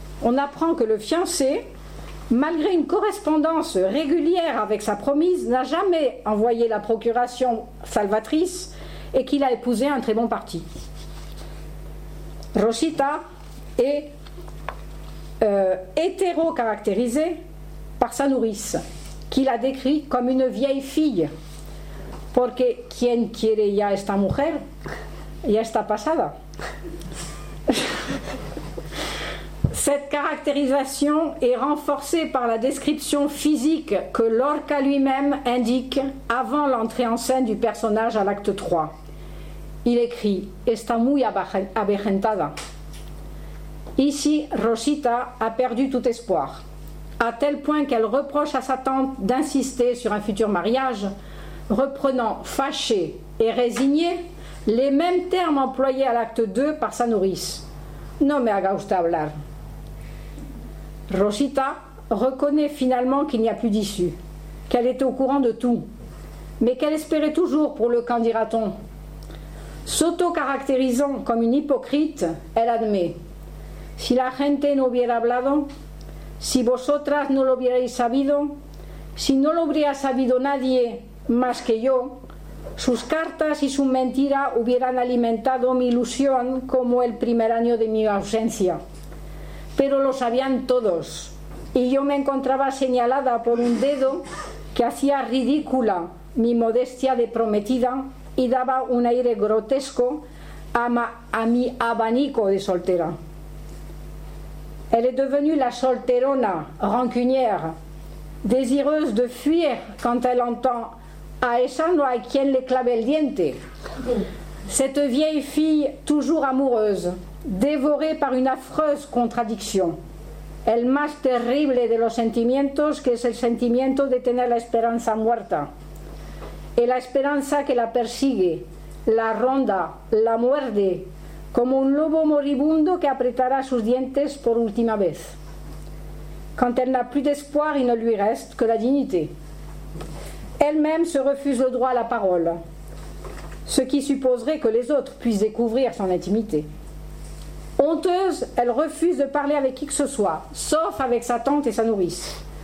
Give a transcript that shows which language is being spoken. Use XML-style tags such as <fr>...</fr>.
<fr>On apprend que le fiancé, malgré une correspondance régulière avec sa promise, n'a jamais envoyé la procuration salvatrice et qu'il a épousé un très bon parti. Rosita est hétéro-caractérisée par sa nourrice, qui la décrit comme une vieille fille.</fr> <es>Porque quien quiere ya esta mujer, ya está pasada.</es> <fr>Cette caractérisation est renforcée par la description physique que Lorca lui-même indique avant l'entrée en scène du personnage à l'acte 3. Il écrit « Está muy avejentada ». Ici, Rosita a perdu tout espoir, à tel point qu'elle reproche à sa tante d'insister sur un futur mariage, reprenant fâchée et résignée les mêmes termes employés à l'acte 2 par sa nourrice. «</fr> <es>No me haga usted hablar</es> <fr>». Rosita reconnaît finalement qu'il n'y a plus d'issue, qu'elle était au courant de tout, mais qu'elle espérait toujours pour le qu'en dira-t-on. S'auto-caractérisant comme une hypocrite, elle admet</fr> <es>« Si la gente no hubiera hablado, si vosotras no lo hubierais sabido, si no lo hubiera sabido nadie más que yo, sus cartas y su mentira hubieran alimentado mi ilusión como el primer año de mi ausencia. » Pero lo sabían todos, y yo me encontraba señalada por un dedo que hacía ridícula mi modestia de prometida y daba un aire grotesco à mi abanico de soltera.</es> <fr>Elle est devenue la solterona rancunière, désireuse de fuir quand elle entend «</fr> <es>A esa no hay quien le clave el diente ».</es> <fr>Cette vieille fille, toujours amoureuse, dévorée par une affreuse contradiction.</fr> <es>El más terrible de los sentimientos que es el sentimiento de tener la esperanza muerta. Y la esperanza que la persigue, la ronda, la muerde, como un lobo moribundo que apretará sus dientes por última vez.</es> <fr>Quand elle n'a plus d'espoir, il ne lui reste que la dignité. Elle-même se refuse le droit à la parole, ce qui supposerait que les autres puissent découvrir son intimité. Honteuse, elle refuse de parler avec qui que ce soit, sauf avec sa tante et sa nourrice.</fr>